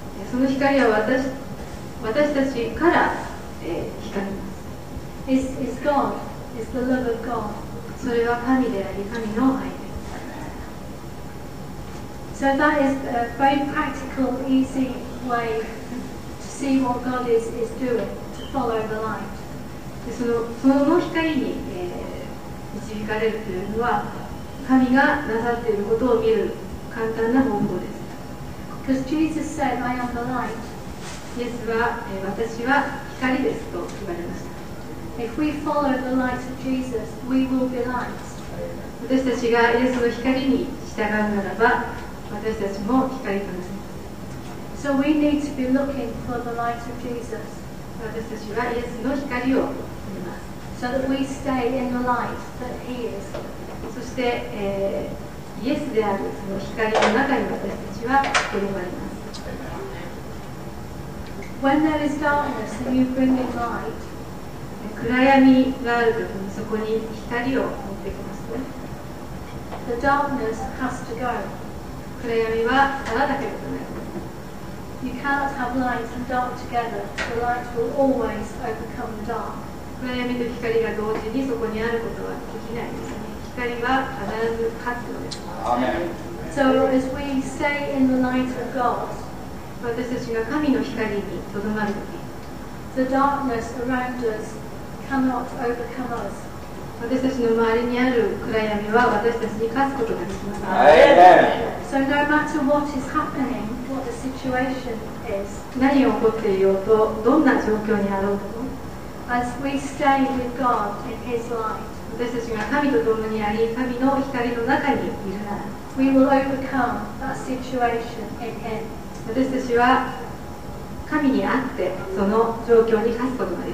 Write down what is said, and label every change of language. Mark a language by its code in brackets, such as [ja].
[ja] その光は私たちから、光ります。 [en] It's God. It's the love of God. [ja] それは神であり、神の愛です。 [en] So that is a very practical, easy way to see what God is doing, to follow the light. [ja] その光に、導かれるというのは、神がなさっていることを見る簡単な方法です。 [en] Because Jesus said, I am the light. [ja] イエスは、私は光ですと言われました。 [en] If we follow the light of Jesus, we will be light. [ja] 私たちがイエスの光に従うならば、私たちも光となります。 [en] So we need to be looking for the light of Jesus. [ja] 私たちはイエスの光を見ます。 [en] So that we stay in the light that he is. [ja] そして、イエスであるその光の中に私たちは留まります。 [en] When there is darkness and you bring in light, [ja] 暗闇があるときにそこに光を持ってきますね。 [en] The darkness has to go. [ja] 暗闇は去らなければならない。 [en] You cannot have light and dark together. The light will always overcome the dark. [ja] 暗闇と光が同時にそこにあることはできないですね。光は必ず勝つのです。 [en] Amen. So as we stay in the light of God, [ja] 私たちが神の光にとどまるとき、 [en] The darkness around us cannot overcome us. [ja] 私たちの周りにある暗闇は私たちに勝つことができません。 [en] Amen. So no matter what is happening,What the situation is. [ja] 何が起こっていようと、どんな状況にあろうと、 [en] As we stay with God in His light, [ja] 私たちが神と共にあり、神の光の中にいるなら、 [en] we will overcome that situation in Him. [ja] 私たちは神にあって、その状況に勝つことができ